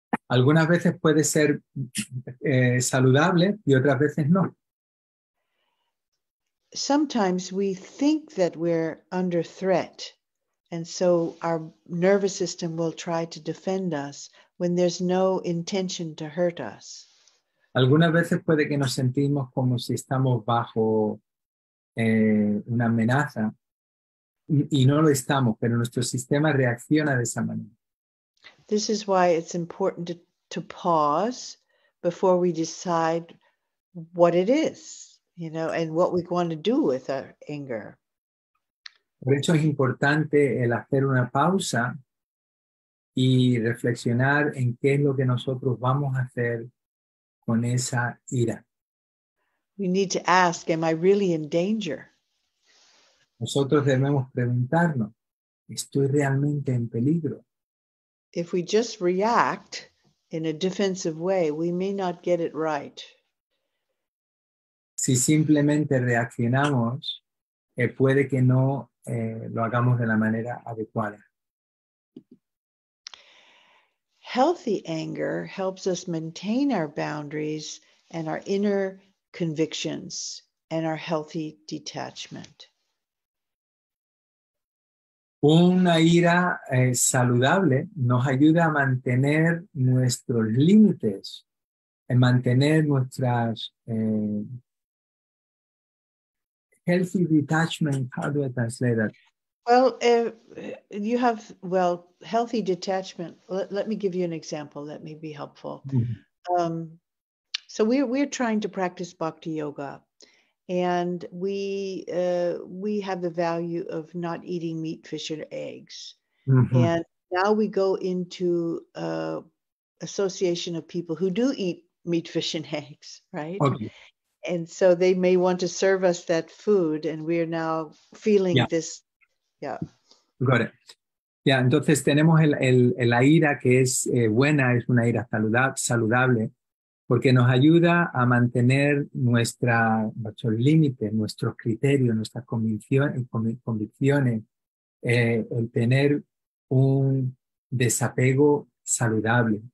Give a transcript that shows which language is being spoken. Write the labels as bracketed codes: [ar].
[es] Algunas veces puede ser saludable y otras veces no. [en] Sometimes we think that we're under threat and so our nervous system will try to defend us when there's no intention to hurt us. [es] Algunas veces puede que nos sentimos como si estamos bajo una amenaza. Y no lo estamos, pero nuestro sistema reacciona de esa manera. [en] This is why it's important to pause before we decide what it is, you know, and what we want to do with our anger. [es] Por eso es importante el hacer una pausa y reflexionar en qué es lo que nosotros vamos a hacer con esa ira. [en] We need to ask, am I really in danger? [es] Nosotros debemos preguntarnos, ¿estoy realmente en peligro? [en] If we just react in a defensive way, we may not get it right. [es] Si simplemente reaccionamos, puede que no lo hagamos de la manera adecuada. [en] Healthy anger helps us maintain our boundaries and our inner convictions and our healthy detachment. [es] Una ira saludable nos ayuda a mantener nuestros límites, a mantener nuestras healthy detachment. [en] How do I translate that? Well, you have, well, healthy detachment. Let me give you an example that may be helpful. Mm-hmm. So we're trying to practice bhakti yoga. And we have the value of not eating meat, fish, and eggs. Mm-hmm. And now we go into association of people who do eat meat, fish, and eggs, right? Okay. And so they may want to serve us that food, and we are now feeling yeah. this. Yeah. Got it. Yeah. [es] Entonces tenemos la ira que es buena, es una ira saludable. Porque nos ayuda a mantener nuestros límites, nuestros criterios, nuestras convicciones, el tener un desapego saludable.